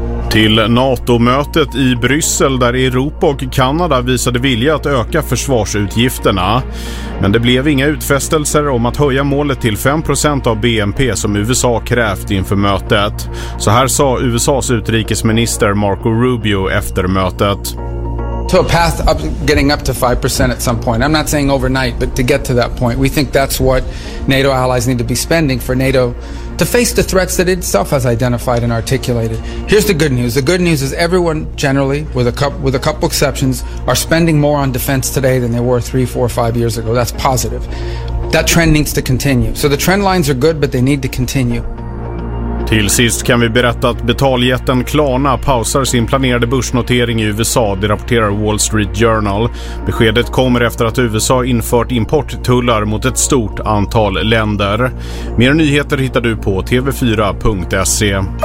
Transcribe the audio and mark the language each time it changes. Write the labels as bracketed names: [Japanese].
[Swedish] Till NATO-mötet i Bryssel där Europa och Kanada visade vilja att öka försvarsutgifterna. Men det blev inga utfästelser om att höja målet till 5% av BNP som USA krävt inför mötet. Så här sa USAs utrikesminister Marco Rubio efter mötet. [English] To a path up, getting up to 5% at some point. I'm not saying overnight, but to get to that point. We think that's what NATO allies need to be spending for NATO to face the threats that itself has identified and articulated. Here's the good news. The good news is everyone generally, with a couple exceptions, are spending more on defense today than they were 3, 4, 5 years ago. That's positive. That trend needs to continue. So the trend lines are good, but they need to continue. [Swedish] Till sist kan vi berätta att betaljätten Klarna pausar sin planerade börsnotering i USA, det rapporterar Wall Street Journal. Beskedet kommer efter att USA infört importtullar mot ett stort antal länder. Mer nyheter hittar du på tv4.se.